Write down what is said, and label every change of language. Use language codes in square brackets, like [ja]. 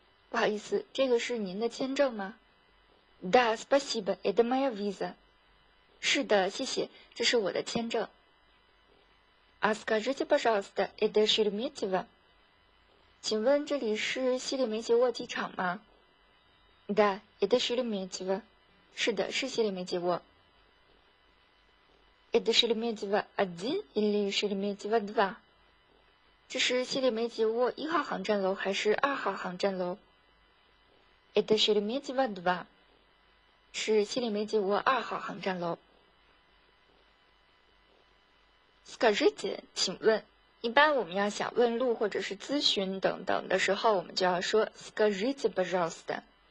[zh] 不好意思，这个是您的签证吗？ [ru] Да, спасибо, это моя виза. [zh] 是的，谢谢，这是我的签证。 [ru] А скажите, пожалуйста, это Шереметьево? [zh] 请问这里是西里梅捷沃机场吗？ [ru] Да, это Шереметьево. [zh] 是的，是西里梅捷沃。 [ru] Это Шереметьево 1 или Шереметьево 2? [zh] 这是西里梅捷沃一号航站楼还是二号航站楼？ [ru] Это Шереметьево 2. [zh] 是西里梅捷沃二号航站楼。 [ru] Скажите, [zh] 请问。一般我们要想问路或者是咨询等等的时候，我们就要说 [ru] Скажите, пожалуйста。